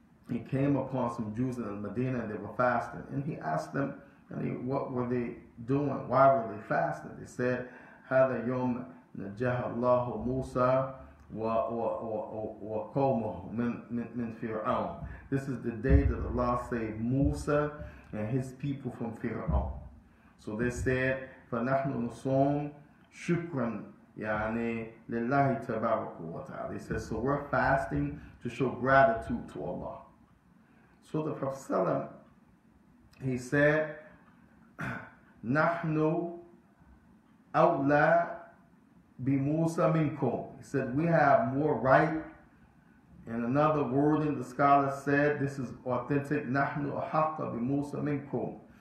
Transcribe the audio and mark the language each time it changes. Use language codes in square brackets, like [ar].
[en] He came upon some Jews in Medina and they were fasting. And he asked them, what were they doing? Why were they fasting? They said, [ar] Hada yom najaha Allahu Moosa wa qawmahu min Fir'aun. [en] This is the day that Allah saved Moosa and his people from Fir'aun. So they said, [ar] فَنَحْنُ نُصُومْ شُكْرًا يَعْنِي لِلَّهِ تَبَارَكُ وَتَعَالَى. [en] They said, so we're fasting to show gratitude to Allah. So the Prophet, he said, [ar] نَحْنُ أَوْلَى بِمُوسَى مِنْكُمْ. [en] He said, we have more right. In another wording, the scholar said, this is authentic, [ar] نَحْنُ أَحَقَّ بِمُوسَى مِنْكُمْ.